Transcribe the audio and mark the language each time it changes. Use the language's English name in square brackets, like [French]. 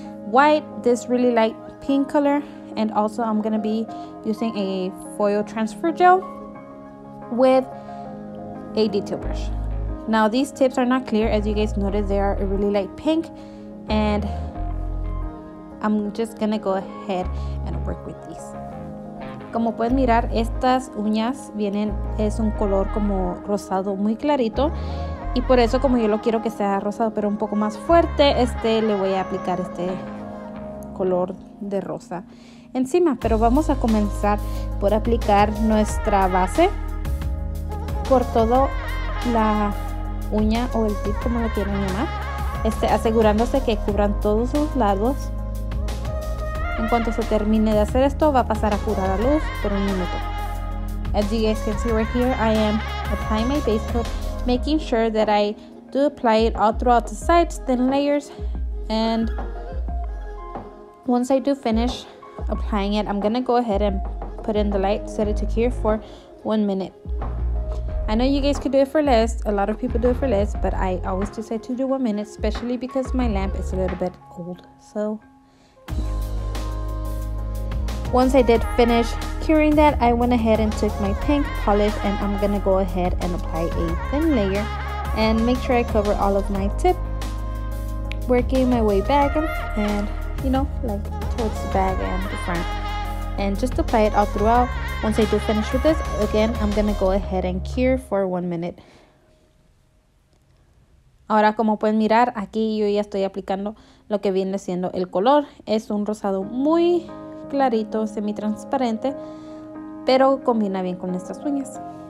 [English] White, this really light pink color, and also I'm gonna be using a foil transfer gel with a detail brush. Now these tips are not clear, as you guys notice they are a really light pink, and I'm just gonna go ahead and work with these. [Spanish] Como pueden mirar, estas uñas vienen, es un color como rosado muy clarito, y por eso como yo lo quiero que sea rosado pero un poco más fuerte, le voy a aplicar este color de rosa encima. Pero vamos a comenzar por aplicar nuestra base por todo la uña o el tip, como lo quieran llamar, asegurándose que cubran todos los lados. En cuanto se termine de hacer esto, va a pasar a curar a luz por un minuto. [English] As you guys can see right here, I am applying my base coat, making sure that I do apply it all throughout the sides, then layers. And once I do finish applying it, I'm gonna go ahead and put in the light, set it to cure for 1 minute. I know you guys could do it for less, a lot of people do it for less, but I always decide to do 1 minute, especially because my lamp is a little bit old, so. Once I did finish curing that, I went ahead and took my pink polish and I'm gonna go ahead and apply a thin layer and make sure I cover all of my tip, working my way back and you know, like towards the back and the front, and just apply it all throughout. Once I do finish with this, again, I'm gonna go ahead and cure for 1 minute. [Spanish] Ahora, como pueden mirar, aquí yo ya estoy aplicando lo que viene siendo el color. Es un rosado muy clarito, semi transparente, pero combina bien con estas uñas.